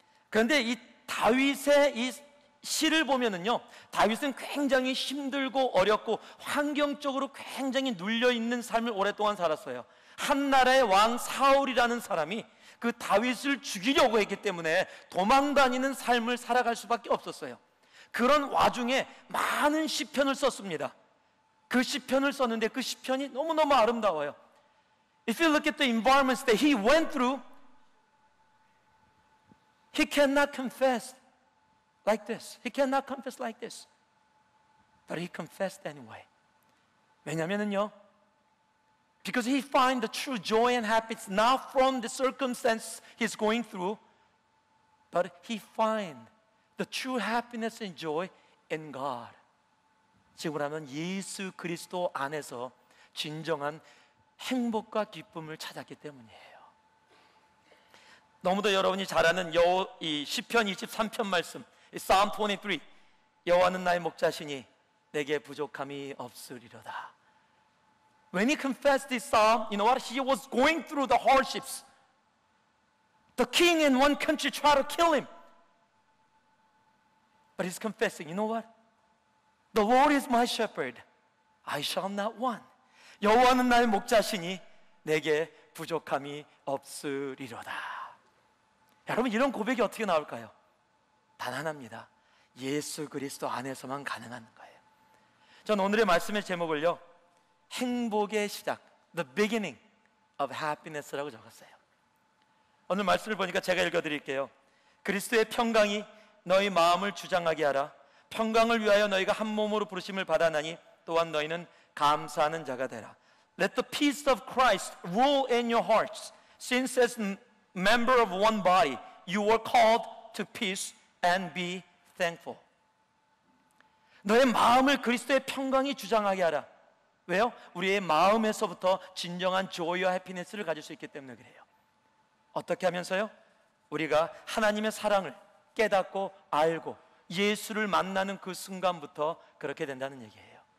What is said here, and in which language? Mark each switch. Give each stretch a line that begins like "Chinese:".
Korean: 그런데 이 다윗의 이 시를 보면은요, 다윗은 굉장히 힘들고 어렵고 환경적으로 굉장히 눌려있는 삶을 오랫동안 살았어요. 한 나라의 왕 사울이라는 사람이 그 다윗을 죽이려고 했기 때문에 도망다니는 삶을 살아갈 수밖에 없었어요. 그런 와중에 많은 시편을 썼습니다. 그 시편을 썼는데 그 시편이 너무너무 아름다워요.
English: If you look at the environments that he went through, he cannot confess like this. He cannot confess like this. But he confessed anyway.
Korean: 왜냐면은요,
English: because he finds the true joy and happiness not from the circumstance he's going through, but he finds the true happiness and joy in God.
Korean: 지금이라면 예수 그리스도 안에서 진정한 행복과 기쁨을 찾았기 때문이에요. 너무도 여러분이 잘 아는 이 시편 23편 말씀, Psalm 23, 여호와는 나의 목자시니 내게 부족함이 없으리로다.
English: When he confessed this psalm, you know what? He was going through the hardships. The king in one country tried to kill him. But he's confessing, you know what? The Lord is my shepherd. I shall not want.
Korean: 여호와는 나의 목자시니 내게 부족함이 없으리로다. 여러분, 이런 고백이 어떻게 나올까요? 단 하나입니다. 예수 그리스도 안에서만 가능한 거예요. 전 오늘의 말씀의 제목을요, 행복의 시작,
English: The beginning of happiness
Korean: 라고 적었어요. 오늘 말씀을 보니까 제가 읽어드릴게요. 그리스도의 평강이 너희 마음을 주장하게 하라. 평강을 위하여 너희가 한 몸으로 부르심을 받아나니 또한 너희는 감사하는 자가 되라.
English: Let the peace of Christ rule in your hearts, since as member of one body, you were called to peace and be thankful.
Korean: 너의 마음을 그리스도의 평강이 주장하게 하라. 왜요? 우리의 마음에서부터 진정한 joy와 happiness를 가질 수 있기 때문에 그래요. 어떻게 하면서요? 우리가 하나님의 사랑을 깨닫고 알고 예수를 만나는 그 순간부터 그렇게 된다는 얘기예요.